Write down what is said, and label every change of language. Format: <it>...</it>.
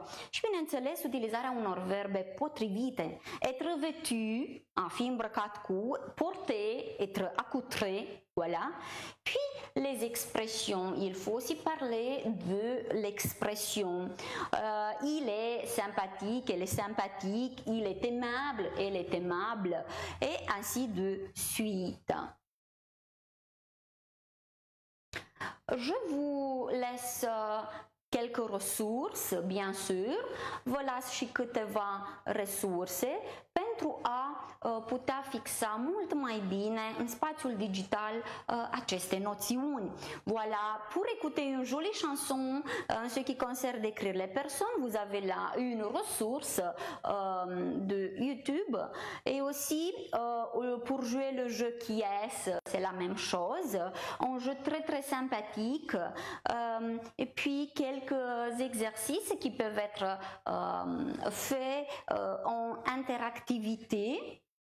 <ro>Și, bineînțeles, utilizarea unor verbe potrivite.</ro> <fr>Être vêtu,</fr> <ro>a fi îmbrăcat cu,</ro> <fr>porter, être accoutré, voilà. Puis, les expressions, il faut aussi parler de l'expression. Il est sympathique, elle est sympathique, il est aimable, elle est aimable, et ainsi de suite. Je vous laisse quelques ressources, bien sûr,</fr> <ro>vă las și câteva resurse pentru a putea fixa mult mai bine în spațiul digital aceste noțiuni.</ro> <fr>Voilà, pour écouter une jolie chanson en ce qui concerne d'écrire les personnes, vous avez là une ressource de YouTube et aussi pour jouer le jeu qui est-ce, c'est la même chose, un jeu très très sympathique et puis quelques exercices qui peuvent être faits en interactivité.</fr>